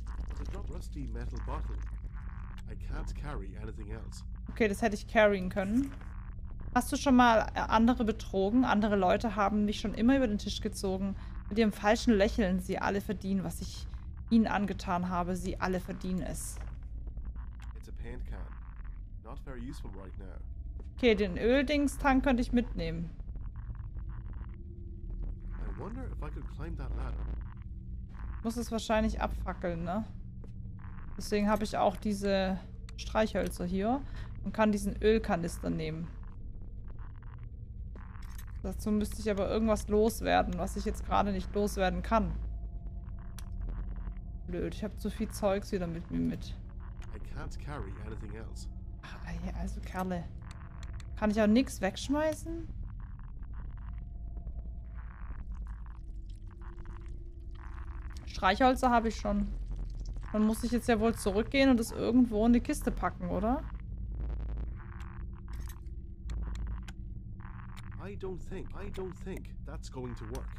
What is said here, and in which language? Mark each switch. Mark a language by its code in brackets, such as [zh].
[en] But it's not rusty metal bottle. I can't carry anything else. [de] Okay, das hätte ich carryen können. Hast du schon mal andere betrogen? Andere Leute haben mich schon immer über den Tisch gezogen. Mit ihrem falschen Lächeln. Sie alle verdienen, was ich ihnen angetan habe. Sie alle verdienen es. [en] It's a paint can. Not very useful right now. [de] Okay, den Öldingstank könnte ich mitnehmen. [en] I wonder if I could climb that ladder. [de] Muss es wahrscheinlich abfackeln, ne? Deswegen habe ich auch diese Streichhölzer hier und kann diesen Ölkanister nehmen. Dazu müsste ich aber irgendwas loswerden, was ich jetzt gerade nicht loswerden kann. Blöd, ich habe zu viel Zeugs wieder mit mir mit. [en] I can't carry anything else. [de] Ach, also Kerle. Kann ich auch nichts wegschmeißen? Streichhölzer habe ich schon. Dann muss ich jetzt ja wohl zurückgehen und es irgendwo in die Kiste packen, oder? [en] I don't think that's going to work.